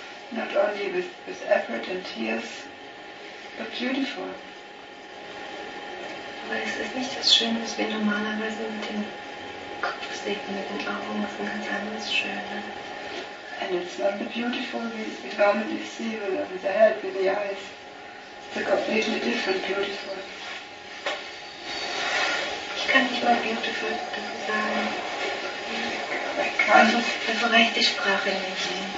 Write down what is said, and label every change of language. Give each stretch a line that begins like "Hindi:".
English: Not only with effort and tears, but beautiful.
German: Aber es ist nicht das Schöne, was wir normalerweise mit dem Kopf sehen, mit den Augen, das ist ein ganz anderes Schöne.
English: And it's not the beautiful we normally see with the head, with the eyes. It's a completely different beautiful.
German: Ich kann nicht mal beautiful sagen.
English: I can't.
German: Ich verreicht die Sprache nicht.